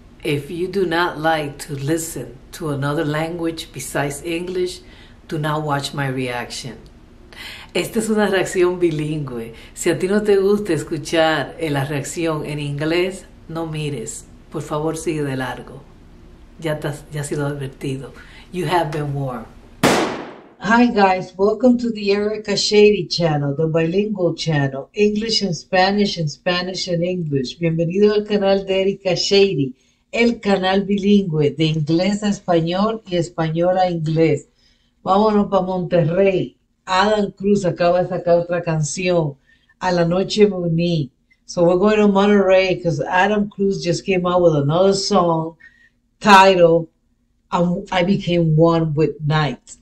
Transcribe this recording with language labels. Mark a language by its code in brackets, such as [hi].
[en] If you do not like to listen to another language besides English, do not watch my reaction. [es] Esta es una reacción bilingüe. Si a ti no te gusta escuchar la reacción en inglés, no mires. Por favor, sigue de largo. Ya ha sido advertido. [en] You have been warned. Hi guys, welcome to the Erica Shady channel, the bilingual channel, English and Spanish and English. [es] Bienvenido al canal de Erica Shady, el canal bilingüe de inglés a español y español a inglés. Vámonos para Monterrey. Adam Cruz acaba de sacar otra canción, A la Noche Muni. [en] So we're going to Monterrey because Adam Cruz just came out with another song, title, I became one with night.